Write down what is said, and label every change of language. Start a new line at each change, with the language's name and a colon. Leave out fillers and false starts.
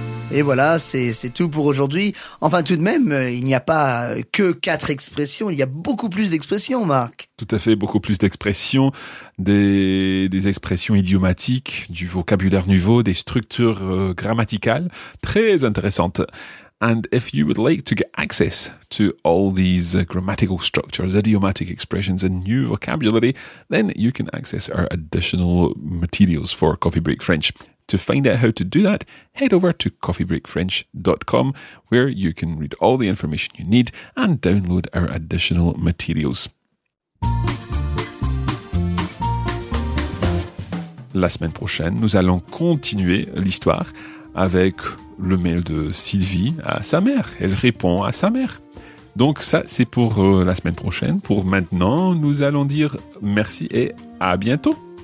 French: Et voilà, c'est tout pour aujourd'hui. Enfin, tout de même, il n'y a pas que quatre expressions. Il y a beaucoup plus d'expressions, Marc. Tout à fait, beaucoup plus d'expressions, des expressions idiomatiques, du vocabulaire nouveau, des structures grammaticales très intéressantes.
English: And if you would like to get access to all these grammatical structures, idiomatic expressions and new vocabulary, then you can access our additional materials for Coffee Break French. To find out how to do that, head over to coffeebreakfrench.com where you can read all the information you need and download our additional materials.
French: La semaine prochaine, nous allons continuer l'histoire avec le mail de Sylvie à sa mère. Elle répond à sa mère. Donc ça, c'est pour la semaine prochaine. Pour maintenant, nous allons dire merci et à bientôt.